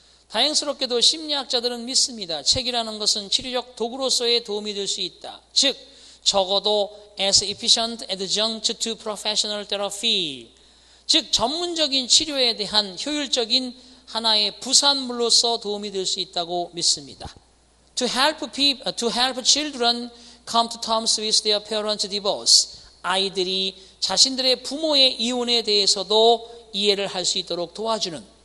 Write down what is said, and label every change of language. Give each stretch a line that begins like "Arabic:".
Korean: 다행스럽게도 심리학자들은 믿습니다. 책이라는 것은 치료적 도구로서의 도움이 될 수 있다. 즉, 적어도
English: as efficient adjunct to professional therapy.
Korean: 즉, 전문적인 치료에 대한 효율적인 하나의 부산물로서 도움이 될 수 있다고 믿습니다.
English: To help children come to terms with their parents' divorce.
Korean: 아이들이 자신들의 부모의 이혼에 대해서도 이해를 할 수 있도록 도와주는.